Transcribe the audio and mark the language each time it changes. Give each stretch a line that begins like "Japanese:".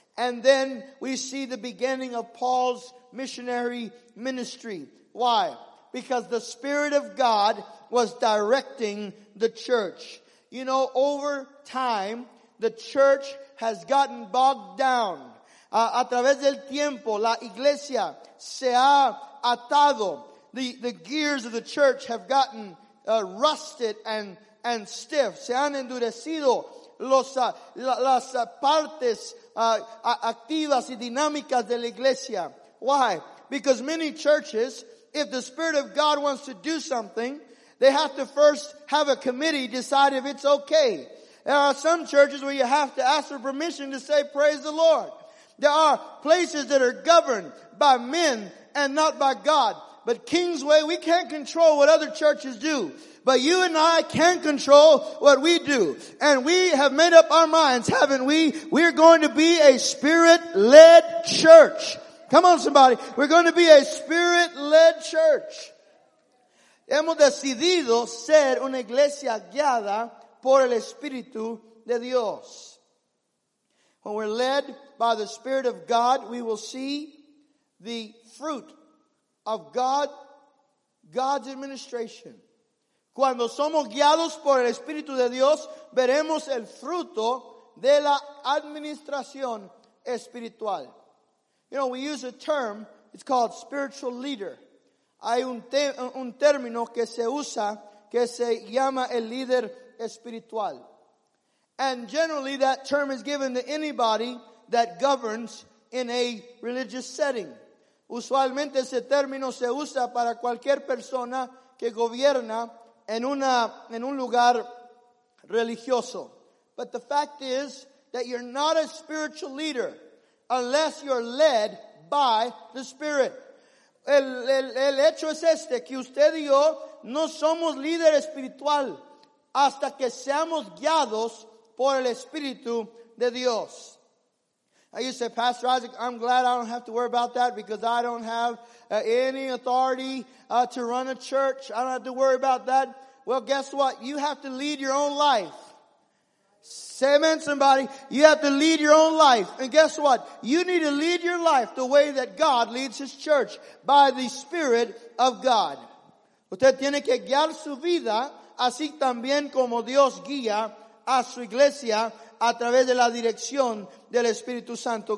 English: And then we see the beginning of Paul's missionary ministry. Why? Because the Spirit of God was directing the church. You know, over time, the church has gotten bogged down.
Spanish: A través del tiempo, la iglesia se ha atado.
English: The gears of the church have gotten rusted and stiff.
Spanish: Se han endurecido las partes activas y dinámicas de la iglesia.
English: Why? Because many churches, if the Spirit of God wants to do something, they have to first have a committee decide if it's okay. There are some churches where you have to ask for permission to say praise the Lord. There are places that are governed by men and not by God. But Kingsway, we can't control what other churches do. But you and I can control what we do. And we have made up our minds, haven't we? We're going to be a Spirit-led church. Come on, somebody. We're going to be a Spirit-led church.
Spanish: Hemos decidido ser una iglesia guiada por el Espíritu de Dios.
English: When we're led by the Spirit of God, we will see the fruit of God's administration.
Spanish: Cuando somos guiados por el Espíritu de Dios, veremos el fruto de la administración espiritual.
English: You know, we use a term, it's called spiritual leader.
Spanish: Hay un término que se usa, que se llama el líder espiritual.
English: And generally that term is given to anybody that governs in a religious setting.
Spanish: Usualmente ese término se usa para cualquier persona que gobierna en un lugar religioso.
English: But the fact is that you're not a spiritual leader unless you're led by the Spirit.
Spanish: El hecho es este, que usted y yo no somos líder espiritual hasta que seamos guiados por el Espíritu de Dios.
English: I used to say, Pastor Isaac, I'm glad I don't have to worry about that because I don't have any authority to run a church. I don't have to worry about that. Well, guess what? You have to lead your own life. Say amen, somebody. You have to lead your own life. And guess what? You need to lead your life the way that God leads His church, by the Spirit of God.
Spanish: Usted tiene que guiar su vida así también como Dios guía a su iglesia a través de la dirección del Espíritu Santo.